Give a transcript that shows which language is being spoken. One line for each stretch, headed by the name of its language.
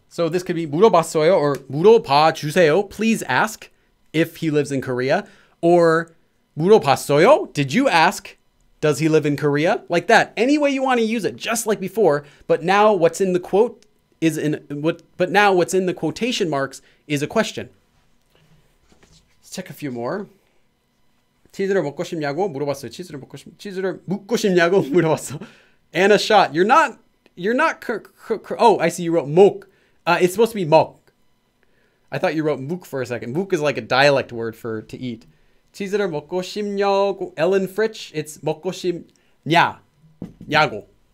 English: So this could be 물어봤어요 or 물어봐주세요. Please ask if he lives in Korea.
Korean: Or 물어봤어요?
English: Did you ask, does he live in Korea? Like that. Any way you want to use it, just like before. But now what's in the quote is in what, but now what's in the quotation marks is a question. Let's check a few more.
Korean: 치즈를 먹고 싶냐고 물어봤어요. 치즈를 묻고 싶냐고 물어봤어.
English: Anna Shot, you're not, I see you wrote mok. It's supposed to be mok. I thought you wrote mok for a second. Mok is like a dialect word for to eat.
Korean: 치즈를 먹고 싶냐고,
English: Ellen Fritsch, it's 먹고 싶냐, 냐고.